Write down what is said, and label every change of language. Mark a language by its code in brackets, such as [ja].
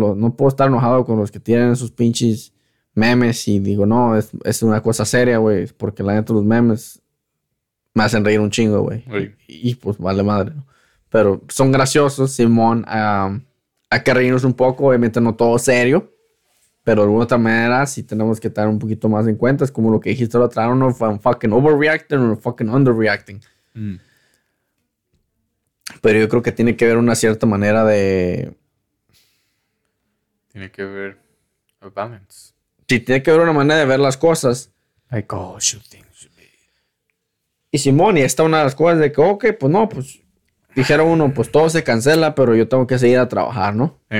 [es] No puedo estar enojado con los que tienen esos pinches memes y digo, no, es una cosa seria, güey. Porque la neta de los memes... Me hacen reír un chingo, güey. Y pues vale madre. Pero son graciosos, Simón. Hay que reírnos un poco. Obviamente no todo serio. Pero de alguna otra manera sí tenemos que estar un poquito más en cuenta. Es como lo que dijiste la otra. [en] I don't know if I'm fucking overreacting or fucking underreacting. [es] Pero yo creo que tiene que ver una cierta manera de... Tiene que ver [en] a balance. [es] Sí, tiene que ver una manera de ver las cosas. [en] Like, oh, shooting. [es] Y Simón, y esta una de las cosas de que, ok, pues no, pues dijeron uno, pues todo se cancela, pero yo tengo que seguir a trabajar, ¿no?